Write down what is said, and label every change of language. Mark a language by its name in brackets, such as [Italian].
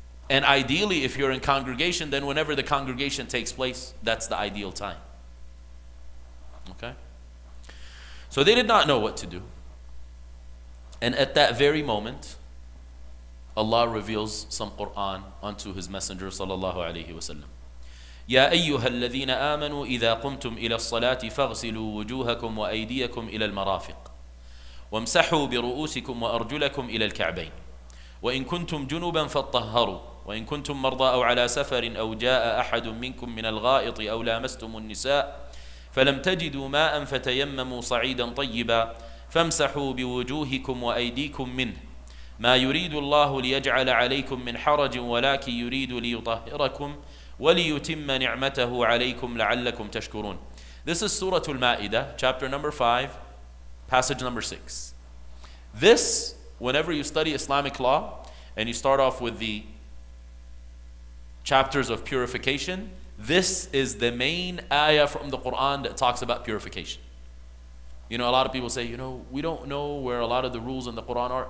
[English] And ideally, if you're in congregation, then whenever the congregation takes place, that's the ideal time. Okay? So they did not know what to do. And at that very moment, Allah reveals some Quran unto His Messenger sallallahu alayhi wasallam. [Arabic] يا أيها الذين آمنوا إذا قمتم إلى الصلاة فاغسلوا وجوهكم وأيديكم إلى المرافق وامسحوا برؤوسكم وأرجلكم إلى الكعبين وإن كنتم جنبا فاتطهروا وإن كنتم مرضى أو على سفر أو جاء أحد منكم من الغائط أو لامستم النساء فلم تجدوا ماء فتيمموا صعيدا طيبا فامسحوا بوجوهكم وأيديكم منه ما يريد الله ليجعل عليكم من حرج ولكن يريد ليطهركم وَلِيُتِمَّ نِعْمَتَهُ عَلَيْكُمْ لَعَلَّكُمْ تَشْكُرُونَ [English] This is Surah Al-Ma'idah, chapter number 5, passage number 6. This, whenever you study Islamic law, and you start off with the chapters of purification, this is the main ayah from the Quran that talks about purification. You know, a lot of people say, you know, we don't know where a lot of the rules in the Quran are.